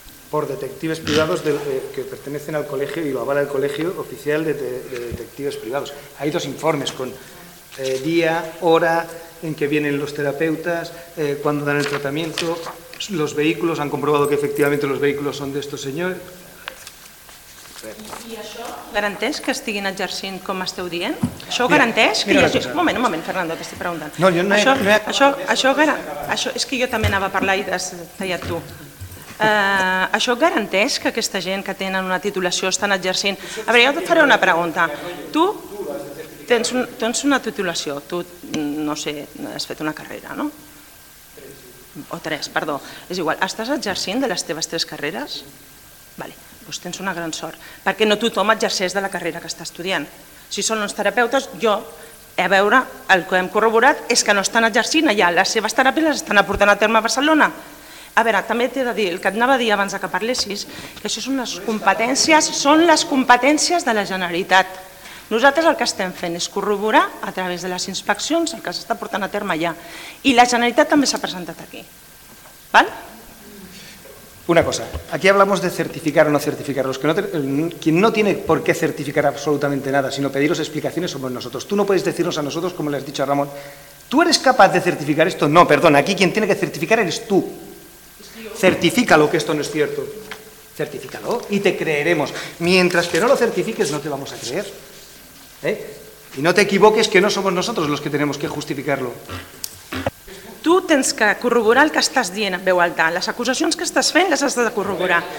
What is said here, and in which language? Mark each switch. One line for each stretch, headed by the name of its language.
Spanish: Por detectives privados que pertenecen al colegio y lo avala el colegio oficial de detectives privados. Hay dos informes con día, hora en que vienen los terapeutas, cuándo dan el tratamiento, los vehículos, han comprobado que efectivamente los vehículos son de estos señores.
Catalan: I això garanteix que estiguin exercint com esteu dient? Això ho garanteix? Mira, mira, un moment, Fernando, que estic preguntant. No, jo no he... Això és que jo també anava a parlar i t'has tallat tu. Això garanteix que aquesta gent que tenen una titulació estan exercint... A veure, jo et faré una pregunta. Tu tens una titulació, tu, no sé, has fet una carrera, no? O tres, perdó. És igual, estàs exercint de les teves tres carreres? Vale. Doncs tens una gran sort, perquè no tothom exerceix de la carrera que està estudiant. Si són uns terapeutes, jo, a veure, el que hem corroborat és que no estan exercint allà, les seves teràpies les estan aportant a terme a Barcelona. A veure, també t'he de dir, el que et anava a dir abans que parlessis, que això són les competències de la Generalitat. Nosaltres el que estem fent és corroborar a través de les inspeccions el que s'està portant a terme allà. I la Generalitat també s'ha presentat aquí. Val?
Spanish: Una cosa, aquí hablamos de certificar o no certificar. Quien no tiene por qué certificar absolutamente nada, sino pediros explicaciones, somos nosotros. Tú no puedes decirnos a nosotros, como le has dicho a Ramón, ¿tú eres capaz de certificar esto? No, perdona, aquí quien tiene que certificar eres tú. Certifícalo que esto no es cierto. Certifícalo y te creeremos. Mientras que no lo certifiques, no te vamos a creer. ¿Eh? Y no te equivoques que no somos nosotros los que tenemos que justificarlo.
Catalan: Tu tens que corroborar el que estàs dient en veu alta. Les acusacions que estàs fent les has de corroborar.